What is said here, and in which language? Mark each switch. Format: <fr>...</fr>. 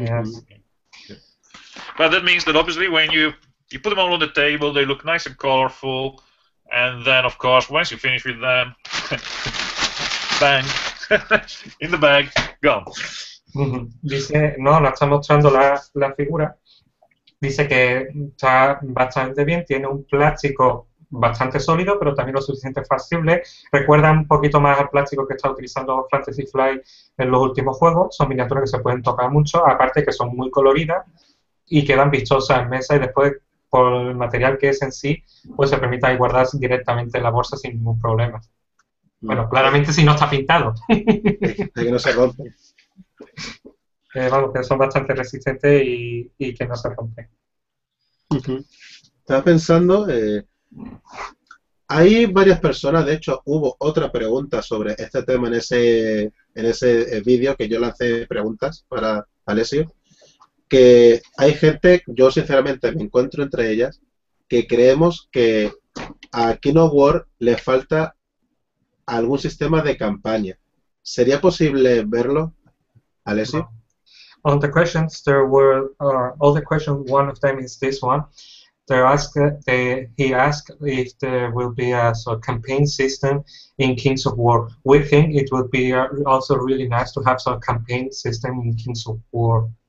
<en>Yes. But that means that obviously when you put them all on the table, they look nice and colorful, and then of course once you finish with them, bang, in the bag, gone.</en> <es>Dice, no, no está mostrando la figura. Dice que está bastante bien, tiene un plástico bastante sólido, pero también lo suficiente flexible. Recuerda un poquito más al plástico que está utilizando Fantasy Flight en los últimos juegos. Son miniaturas que se pueden tocar mucho, aparte que son muy coloridas y quedan vistosas en mesa, y después, por el material que es en sí, pues se permite ahí guardar directamente en la bolsa sin ningún problema. Bueno, claramente si no está pintado. De que no se rompe. Vamos, que son bastante resistentes y que no se rompe. Estaba pensando, hay varias personas, de hecho hubo otra pregunta sobre este tema en ese vídeo que yo lancé preguntas para Alessio. Que hay gente, yo sinceramente me encuentro entre ellas, que creemos que a King of War le falta algún sistema de campaña. ¿Sería posible verlo, Alessio?</es> <en>On the questions, there were all the questions. One of them is this one. He asked if there will be a sort of campaign system in Kings of War. We think it would be also really nice to have some campaign system in Kings of War.</en>